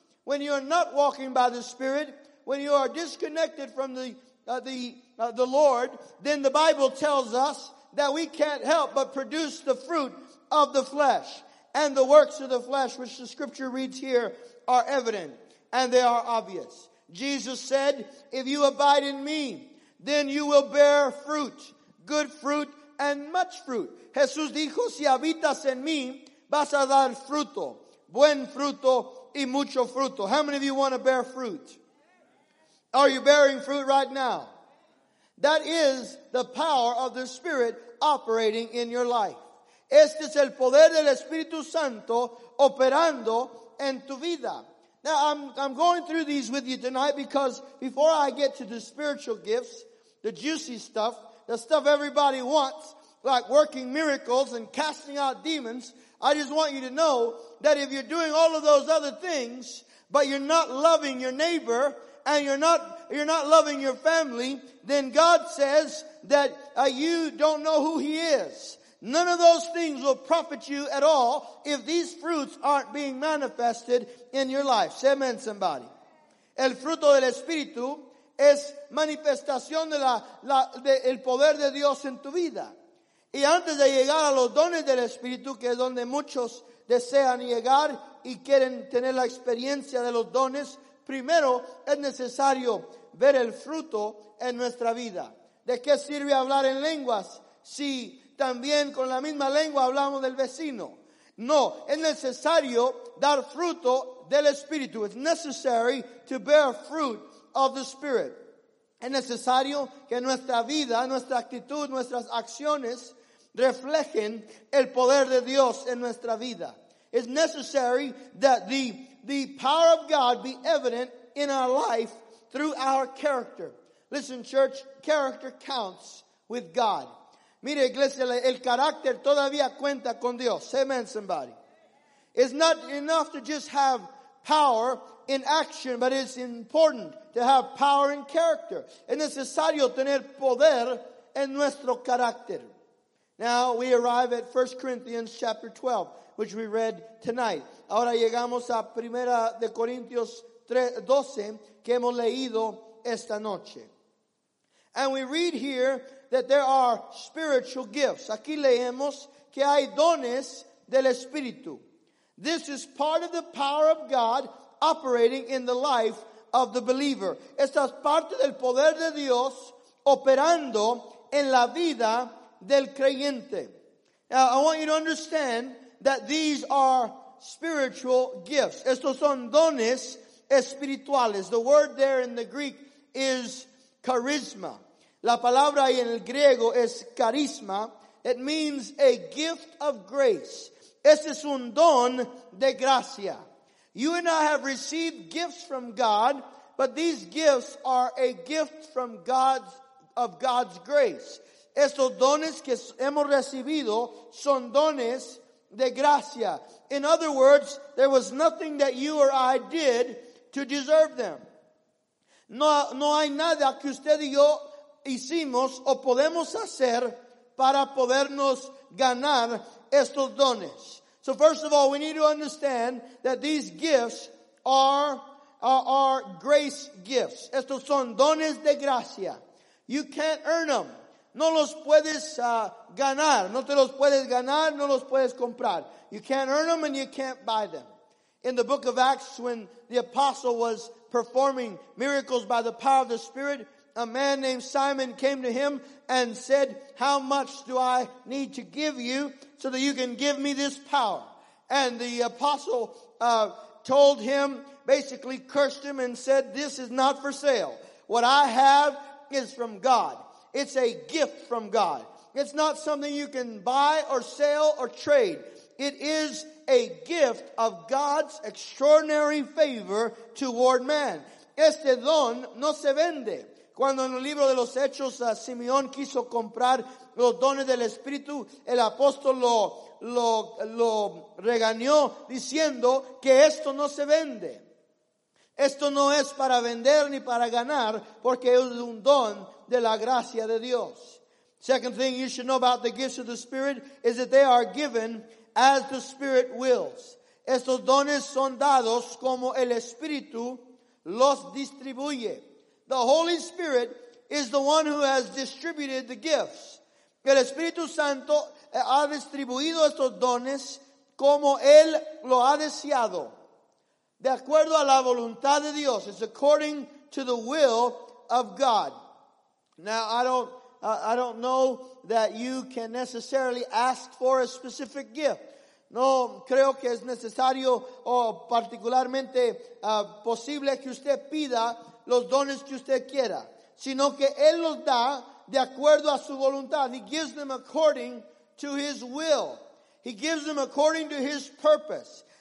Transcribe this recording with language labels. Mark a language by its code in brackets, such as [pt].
[en] When you are not walking by the Spirit, when you are disconnected from the Lord, then the Bible tells us that we can't help but produce the fruit of the flesh. And the works of the flesh, which the Scripture reads here, are evident and they are obvious. Jesus said, if you abide in me, then you will bear fruit, good fruit and much fruit. [es] Jesús dijo, si habitas en mí, vas a dar fruto, buen fruto y mucho fruto. [en] How many of you want to bear fruit? Are you bearing fruit right now? That is the power of the Spirit operating in your life. [es] Este es el poder del Espíritu Santo operando en tu vida. [en] Now, I'm going through these with you tonight because before I get to the spiritual gifts, the juicy stuff, the stuff everybody wants, like working miracles and casting out demons, I just want you to know that if you're doing all of those other things, but you're not loving your neighbor and you're not loving your family, then God says that you don't know who He is. None of those things will profit you at all if these fruits aren't being manifested in your life. Say amen, somebody. [es] El fruto del Espíritu es manifestación de el poder de Dios en tu vida. Y antes de llegar a los dones del Espíritu, que es donde muchos desean llegar y quieren tener la experiencia de los dones, primero es necesario ver el fruto en nuestra vida. ¿De qué sirve hablar en lenguas si también con la misma lengua hablamos del vecino? No, es necesario dar fruto del Espíritu. [en] It's necessary to bear fruit of the Spirit. [es] Es necesario que nuestra vida, nuestra actitud, nuestras acciones reflejen el poder de Dios en nuestra vida. [en] It's necessary that the power of God be evident in our life through our character. Listen, church, character counts with God. [es] Mire, iglesia, el carácter todavía cuenta con Dios. [en] Say amen, somebody. It's not enough to just have power in action, but it's important to have power in character. [es] Es necesario tener poder en nuestro carácter. [en] Now we arrive at 1 Corinthians chapter 12, which we read tonight. [es] Ahora llegamos a 1 Corinthians 12, que hemos leído esta noche. [en] And we read here that there are spiritual gifts. [es] Aquí leemos que hay dones del Espíritu. [en] This is part of the power of God operating in the life of the believer. [es] Esta es parte del poder de Dios operando en la vida del creyente. [en] Now, I want you to understand that these are spiritual gifts. [es] Estos son dones espirituales. [en] The word there in the Greek is charisma. [es] La palabra en el griego es carisma. [en] It means a gift of grace. [es] Este es un don de gracia. [en] You and I have received gifts from God, but these gifts are a gift from God's grace. [es] Estos dones que hemos recibido son dones de gracia. [en] In other words, there was nothing that you or I did to deserve them. [es] No hay nada que usted y yo hicimos o podemos hacer para podernos ganar estos dones. [en] So first of all, we need to understand that these gifts are grace gifts. [es] Estos son dones de gracia. [en] You can't earn them. [es] No los puedes ganar. No te los puedes ganar, no los puedes comprar. [en] You can't earn them and you can't buy them. In the book of Acts, when the apostle was performing miracles by the power of the Spirit, a man named Simon came to him and said, how much do I need to give you so that you can give me this power? And the apostle told him, basically cursed him and said, this is not for sale. What I have is from God. It's a gift from God. It's not something you can buy or sell or trade. It is a gift of God's extraordinary favor toward man. [es] Este don no se vende. Cuando en el libro de los Hechos Simeón quiso comprar los dones del Espíritu, el apóstol lo regañó diciendo que esto no se vende. Esto no es para vender ni para ganar, porque es un don de la gracia de Dios. [en] Second thing you should know about the gifts of the Spirit is that they are given as the Spirit wills. [es] Estos dones son dados como el Espíritu los distribuye. [en] The Holy Spirit is the one who has distributed the gifts. [es] El Espíritu Santo ha distribuido estos dones como Él lo ha deseado. De acuerdo a la voluntad de Dios. [en] It's according to the will of God. Now, I don't know that you can necessarily ask for a specific gift. [es] No creo que es necesario o particularmente posible que usted pida los dones que usted quiera, sino que Él los da de acuerdo a su voluntad. [en] He gives them according to His will. He gives them according to His purpose.